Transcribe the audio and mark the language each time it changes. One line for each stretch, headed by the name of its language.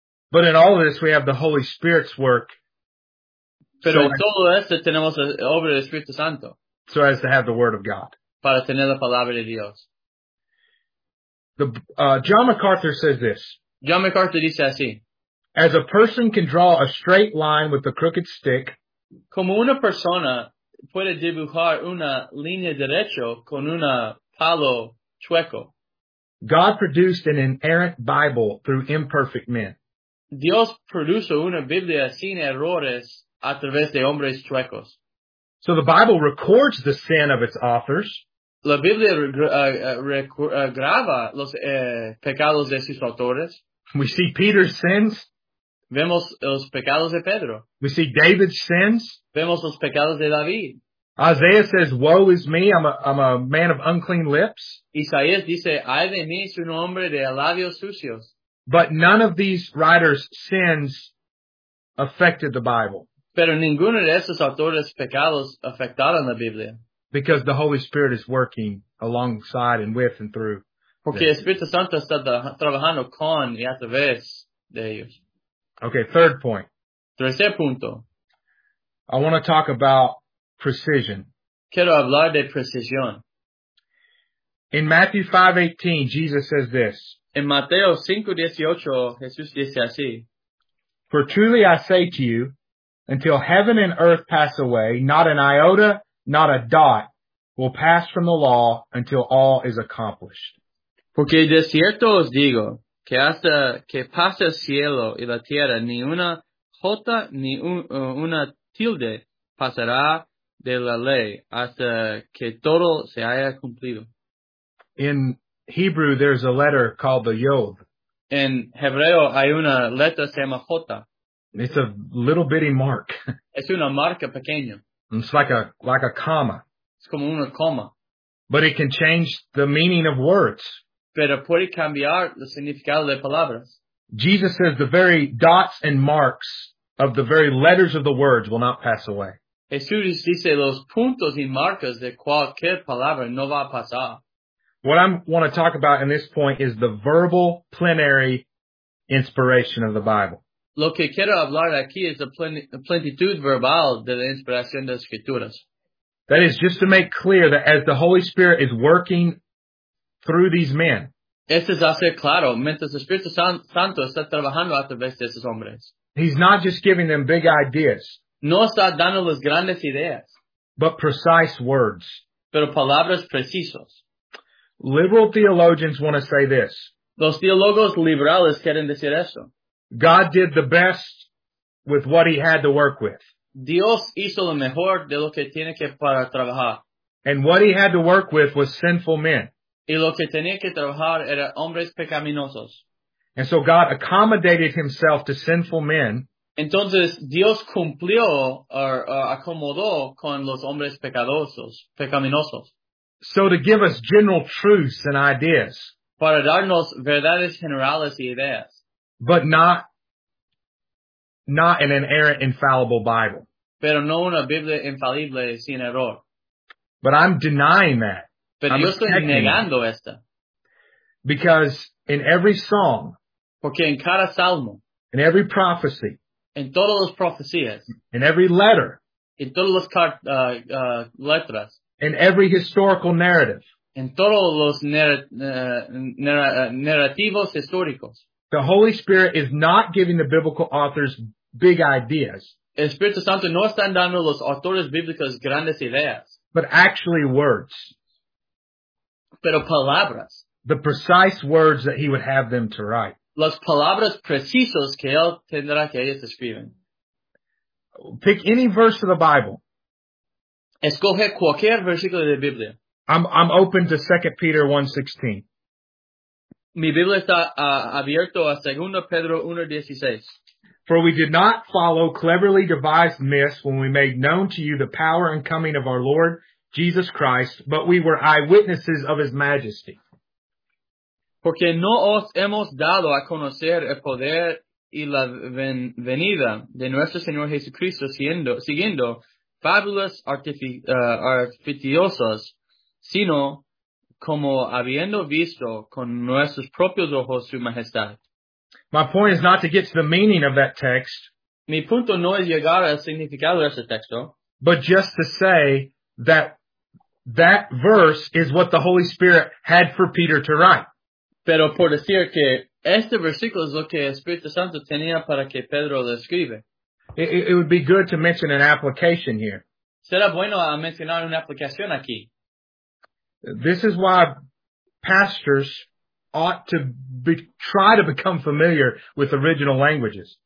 English: But in all of this, we have the Holy Spirit's work.
Spanish: Pero en todo esto tenemos la obra del Espíritu Santo.
English: So as to have the Word of God.
Spanish: Para tener la palabra de Dios.
English: John MacArthur says this.
Spanish: John MacArthur dice así.
English: As a person can draw a straight line with a crooked stick.
Spanish: Como una persona puede dibujar una línea derecha con un palo chueco.
English: God produced an inerrant Bible through imperfect men.
Spanish: Dios produjo una Biblia sin errores a través de hombres chuecos.
English: So the Bible records the sin of its authors.
Spanish: La Biblia graba los pecados de sus autores.
English: We see Peter's sins.
Spanish: Vemos los pecados de Pedro.
English: We see David's sins.
Spanish: Vemos los pecados de David.
English: Isaiah says, "Woe is me, I'm a man of unclean lips."
Spanish: Isaías dice, "Ay de mí, soy un hombre de labios sucios."
English: But none of these writers' sins affected the Bible.
Spanish: Pero ninguno de esos autores' pecados afectaron la Biblia.
English: Because the Holy Spirit is working alongside and with and through.
Spanish: Porque el Espíritu Santo está trabajando con y a través de ellos.
English: Okay, third point.
Spanish: Tercer punto.
English: I want to talk about precision.
Spanish: Quiero hablar de precisión.
English: In Matthew 5:18, Jesus says this.
Spanish: En Mateo 5:18, Jesús dice así.
English: For truly I say to you, until heaven and earth pass away, not an iota, not a dot will pass from the law until all is accomplished.
Spanish: Porque de cierto os digo que hasta que pase el cielo y la tierra, ni una jota ni una tilde pasará de la ley hasta que todo se haya cumplido.
English: In Hebrew, there's a letter called the Yod.
Spanish: En hebreo hay una letra que se llama jota.
English: It's a little bitty mark.
Spanish: Es una marca pequeña.
English: It's like a comma.
Spanish: Es como una coma.
English: But it can change the meaning of words.
Spanish: Pero puede cambiar el significado de palabras.
English: Jesus says the very dots and marks of the very letters of the words will not pass away.
Spanish: Jesús dice los puntos y marcas de cualquier palabra no va a pasar.
English: What I want to talk about in this point is the verbal plenary inspiration of the Bible.
Spanish: Lo que quiero hablar aquí es la plenitud verbal de la inspiración de las Escrituras.
English: That is just to make clear that as the Holy Spirit is working through these men.
Spanish: Esto es hacer claro, mientras el Espíritu Santo está trabajando a través de estos hombres.
English: He's not just giving them big ideas.
Spanish: No está dándoles grandes ideas.
English: But precise words.
Spanish: Pero palabras precisas.
English: Liberal theologians want to say this.
Spanish: Los teólogos liberales quieren decir eso.
English: God did the best with what he had to work with.
Spanish: Dios hizo lo mejor de lo que tiene que para trabajar.
English: And what he had to work with was sinful men.
Spanish: Y lo que tenía que trabajar era hombres pecaminosos.
English: And so God accommodated himself to sinful men.
Spanish: Entonces Dios cumplió
English: or
Spanish: acomodó con los hombres pecadosos, pecaminosos.
English: So to give us general truths and ideas.
Spanish: Para darnos verdades generales y ideas.
English: But not an inerrant, infallible Bible.
Spanish: Pero no una Biblia infalible sin error.
English: But I'm denying that.
Spanish: Pero yo estoy negando esta.
English: Because in every song.
Spanish: Porque en cada salmo.
English: In every prophecy.
Spanish: En todas las profecías.
English: In every letter.
Spanish: En todas las letras.
English: In every historical narrative.
Spanish: En todos los narrativos históricos.
English: The Holy Spirit is not giving the biblical authors big ideas.
Spanish: El Espíritu Santo no está dando los autores bíblicos grandes ideas.
English: But actually words.
Spanish: Pero palabras.
English: the precise words that he would have them to write.
Spanish: Las palabras precisas que él tendrá que ellos escriben.
English: Pick any verse of the Bible.
Spanish: Escoge cualquier versículo de Biblia.
English: I'm open to 2 Peter 1:16.
Spanish: Mi Biblia está abierto a 2 Pedro 1:16.
English: For we did not follow cleverly devised myths when we made known to you the power and coming of our Lord Jesus Christ, but we were eyewitnesses of his majesty.
Spanish: Porque no os hemos dado a conocer el poder y la venida de nuestro Señor Jesucristo siguiendo fábulas artificiosas, sino como habiendo visto con nuestros propios ojos su majestad.
English: My point is not to get to the meaning of that text.
Spanish: Mi punto no es llegar al significado de ese texto.
English: But just to say that that verse is what the Holy Spirit had for Peter to write.
Spanish: Pero por decir que este versículo es lo que Espíritu Santo tenía para que Pedro lo escribe.
English: It would be good to mention an application here.
Spanish: Será bueno a mencionar una aplicación aquí.
English: This is why pastors ought to try to become familiar with original languages.